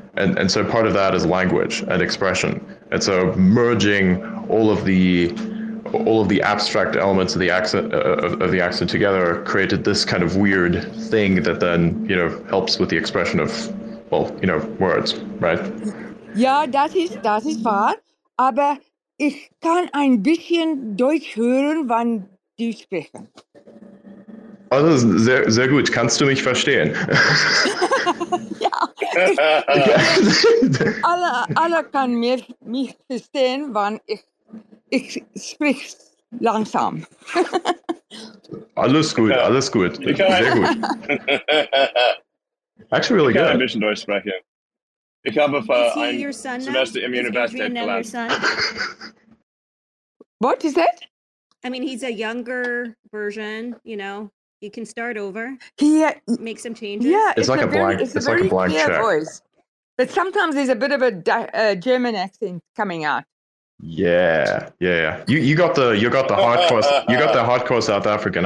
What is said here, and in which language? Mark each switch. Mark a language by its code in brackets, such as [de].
[en] And so part of that is language and expression. And so merging all of the abstract elements of the accent of the accent together created this kind of weird thing that then, you know, helps with the expression of, well, you know, words, right? Yeah, that is fine. [de] Aber ich kann ein bisschen Deutsch hören, wenn du sprichst. Also sehr, sehr gut. Kannst du mich verstehen? Ja. Alle kann mich verstehen, wenn ich sprich langsam. Alles gut. Sehr gut. [en] Actually, really good. I mentioned [de] Deutsch sprechen. Ich habe für ein Semester im Universität gelernt. [en] What is that? I mean, he's a younger version, you know. You can start over. Make some changes. Yeah, it's like a blank check voice. But sometimes there's a bit of a German accent coming out. Yeah, yeah, yeah. You got the hardcore South African.